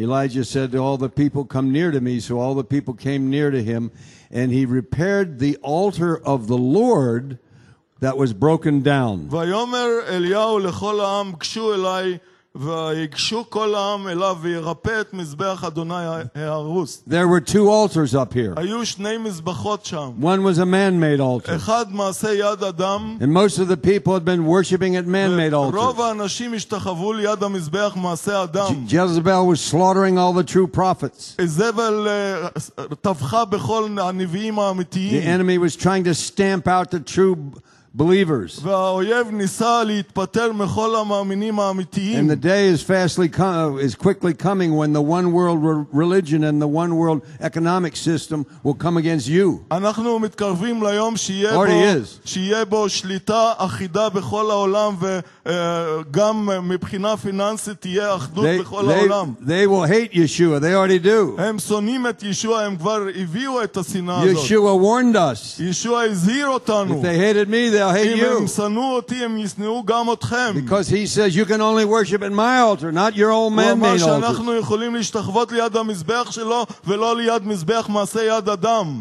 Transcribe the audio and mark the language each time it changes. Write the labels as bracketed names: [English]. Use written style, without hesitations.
[English] Elijah said to all the people, "Come near to me." So all the people came near to him, and he repaired the altar of the Lord that was broken down. [Hebrew] ויאמר אליהו לכל העם, "קשו אליי." ויגשו כל העם אליו וירפא את מזבח אדוני הארוס. [English] There were two altars up here. [Hebrew] היו שני מזבחות שם. [English] One was a man-made altar. [Hebrew] אחד מעשה יד אדם. [English] And most of the people had been worshiping at man-made altars. [Hebrew] רוב האנשים השתחוו ליד המזבח מעשה אדם. [English] Jezebel was slaughtering all the true prophets. [Hebrew] איזבל טבחה בכל הנביאים האמיתיים. [English] The enemy was trying to stamp out the true believers. [Hebrew] והאויב ניסה להתפטר מכל המאמינים האמיתיים. [English] And the day is quickly coming when the one world religion and the one world economic system will come against you. [Hebrew] אנחנו מתקרבים ליום שיהיה בו שליטה אחידה בכל העולם גם מבחינה פיננסית תהיה אחדות בכל העולם. [English] They will hate Yeshua. They already do. [Hebrew] הם שונאים את ישועה. הם כבר הביאו את השנאה הזאת. [English] Yeshua warned us. [Hebrew] ישועה הזהיר אותנו. [English] If they hated me, they'll hate you. [Hebrew] אם הם שנאו אותי, הם ישנאו גם אתכם. [English] Because he says you can only worship at my altar, not your old man-made altar. [Hebrew] הוא אמר שאנחנו יכולים להשתחוות ליד המזבח שלו, ולא ליד מזבח מעשה יד אדם.